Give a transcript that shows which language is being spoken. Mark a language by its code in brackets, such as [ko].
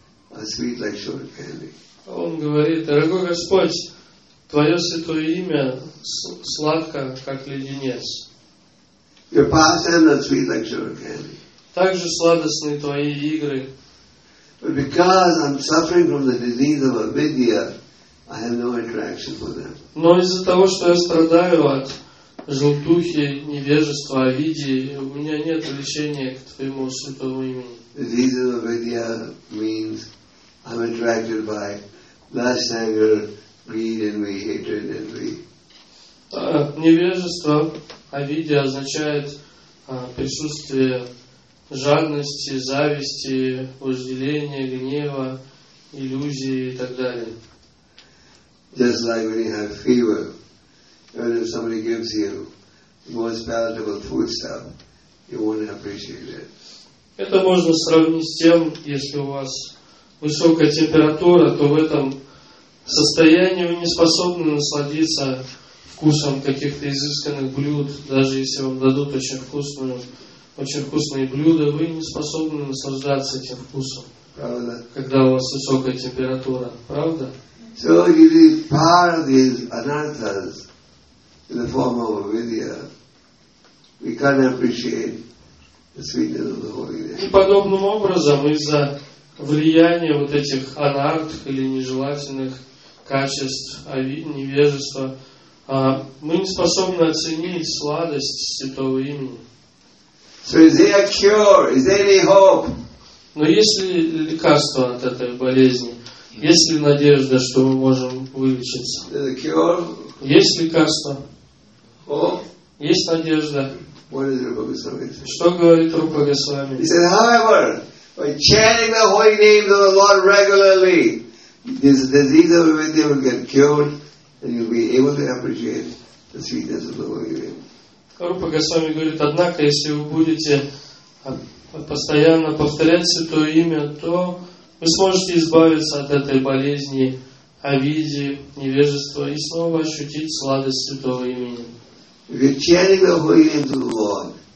[ru] Он говорит, дорогой Господь, Твое Святое Имя сладко, как леденец. [en] Your pastimes are sweet like sugar candy. [ru] Также сладостны Твои игры. [en] But because I'm suffering from the disease of avidya, I have no attraction for them. [ru] Но из-за того, что я страдаю от желтухи, невежества, авидии, у меня нет влечения к Твоему Святому Имени. [en] Disease of avidya means I'm attracted by lust, anger, greed, envy, hatred, envy. [ru] Невежество, авидия означает присутствие жадности, зависти, вожделения, гнева, иллюзии и так далее. [en] Just like when you have fever, even if somebody gives you the most palatable foodstuff, you won't appreciate it. [ru] Это можно сравнить с тем, если у вас высокая температура, то в этом состоянии вы не способны насладиться вкусом каких-то изысканных блюд. Даже если вам дадут очень вкусные блюда, вы не способны наслаждаться этим вкусом. Правда? Когда у вас высокая температура. Правда? [en] So you leave part of these anarthas in the form of avidya. We can't appreciate the sweetness of the Holy Name. [ru] И подобным образом из-за влияния вот этих анарх или нежелательных качеств невежества мы не способны оценить сладость Святого Имени. [en] So is there a cure? Is there any hope? [ru] Но есть ли лекарство от этой болезни? Есть ли надежда, что мы можем вылечиться? [en] Is a cure? [ru] Есть лекарство? [en] Hope? [ru] Есть надежда? [en] What is Rupa Goswami saying? [ru] Что говорит Рупа Госвами? [en] He said, however, by chanting the holy names of the Lord regularly, this disease of avidya will get cured. And you'll be able to appreciate the sweetness of the Holy Name. [ru] Рупа Госвами говорит, однако, если вы будете постоянно повторять Святое Имя, то вы сможете избавиться от этой болезни, обиды, невежества и снова ощутить сладость Святого Имени. [en] If you're chanting the Holy Name to the Lord,